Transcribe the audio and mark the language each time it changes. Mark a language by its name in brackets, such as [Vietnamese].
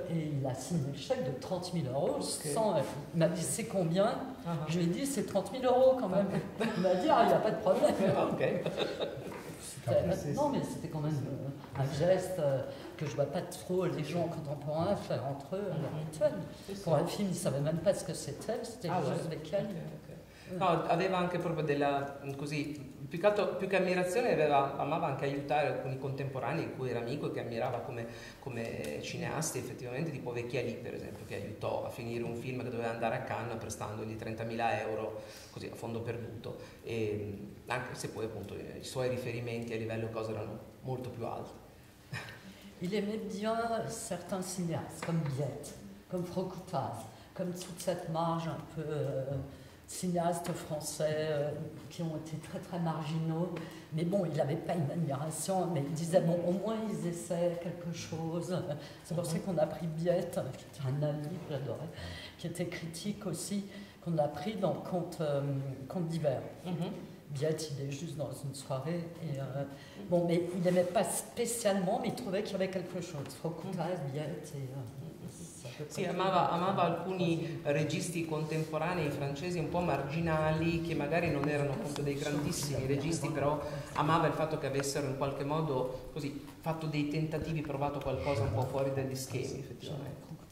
[French] Et il a signé le chèque de 30 000 euros. Okay. Il m'a dit, c'est combien? Je lui ai dit, c'est 30 000 euros quand même. Il m'a dit, ah, il n'y a pas de problème. Okay. Non, mais c'était quand même un geste que je ne vois pas trop les gens contemporains faire entre eux à leur rituel. Pour un film, ils ne savaient même pas ce que c'était. C'était juste avec elle. [Italian] No, aveva anche proprio della, così, più che ammirazione, amava anche aiutare alcuni contemporanei in cui era amico e che ammirava come cineasti, effettivamente, tipo Vecchiali, per esempio, che aiutò a finire un film che doveva andare a Cannes prestandogli 30.000 euro, così, a fondo perduto, e anche se poi appunto i suoi riferimenti a livello cosa erano molto più alti. [French] Il aimait bien certains cinéastes, comme Biette, comme Frocutaz, comme toute cette marge un peu... cinéastes français qui ont été très très marginaux, mais bon, il n'avait pas une admiration, mais il disait bon, au moins ils essaient quelque chose. C'est pour ça qu'on a pris Biette, qui était un ami que j'adorais, qui était critique aussi, qu'on a pris dans Contes d'hiver. Biette, il est juste dans une soirée, et bon, mais il n'aimait pas spécialement, mais il trouvait qu'il y avait quelque chose. Frocutaz, Biette et. [Italian] Sì, amava alcuni registi contemporanei francesi un po' marginali, che magari non erano appunto dei grandissimi registi, però amava il fatto che avessero in qualche modo così fatto dei tentativi, provato qualcosa un po' fuori dagli schemi, effettivamente.